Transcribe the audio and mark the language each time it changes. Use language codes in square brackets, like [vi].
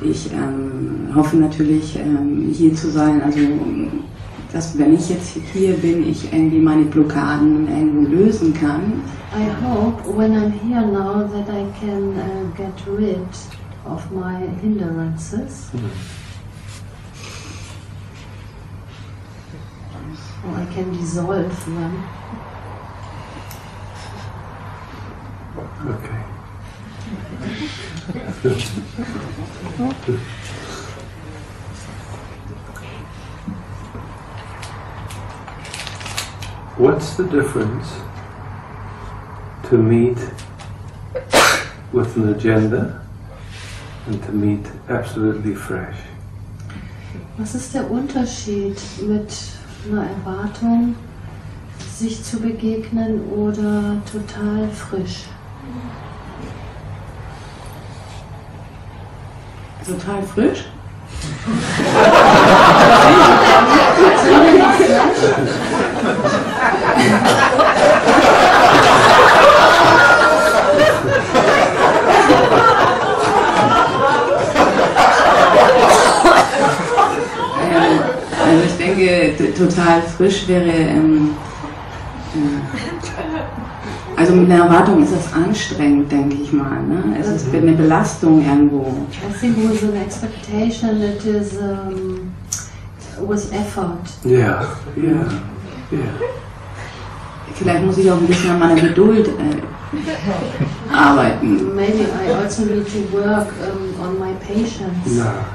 [de] Ich hoffe natürlich, hier zu sein, also dass, wenn ich jetzt hier bin, ich irgendwie meine Blockaden irgendwo lösen kann. [en] I hope, when I'm here now, that I can get rid of my hindrances. Or I can dissolve them. Okay. What's the difference to meet with an agenda and to meet absolutely fresh? [de] Was ist der Unterschied mit einer Erwartung, sich zu begegnen oder total frisch? Total frisch? Also ich denke, total frisch wäre, also mit einer Erwartung ist das anstrengend, denke ich mal, ne? Es ist eine Belastung irgendwo. [en] I think with an expectation that is with effort. Yeah. [de] Vielleicht muss ich auch ein bisschen an meiner Geduld arbeiten. [en] Maybe I also need to work on my patience.